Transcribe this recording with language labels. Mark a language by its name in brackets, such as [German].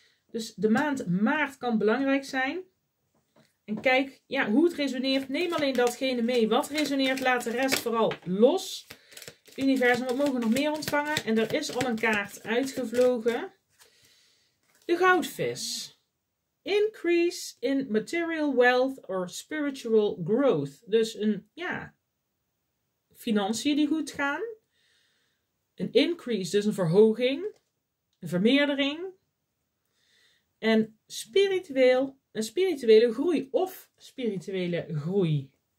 [Dutch] Dus de maand maart kan belangrijk zijn. En kijk hoe het resoneert. Neem alleen datgene mee wat resoneert. Laat de rest vooral los. Universum, wat mogen we nog meer ontvangen? En er is al een kaart uitgevlogen. De goudvis. [English] Increase in material wealth or spiritual growth. [Dutch] Dus een financiën die goed gaan. Een increase, dus een verhoging, een vermeerdering. En spiritueel, een spirituele groei of spirituele groei.